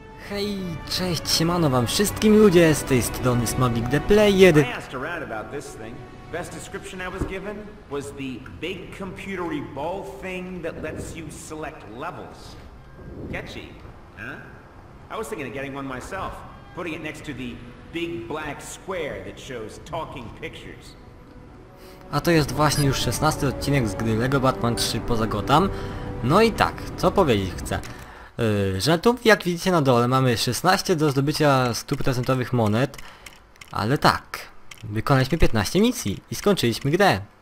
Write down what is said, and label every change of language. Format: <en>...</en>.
<pl>Hej, cześć, siemano wam wszystkim ludzie, z tej strony Smobik the Player.</pl> <en>I asked around about this thing. Best description I was given was the big computery ball thing that lets you select levels. Catchy, huh? I was thinking of getting one myself, putting it next to the big black square that shows talking pictures.</en> <pl>A to jest właśnie już 16 odcinek z gry LEGO Batman 3 poza Gotham. No i tak, co powiedzieć chcę? Że tu, jak widzicie na dole, mamy 16 do zdobycia 100% monet, ale tak, wykonaliśmy 15 misji i skończyliśmy grę.</pl>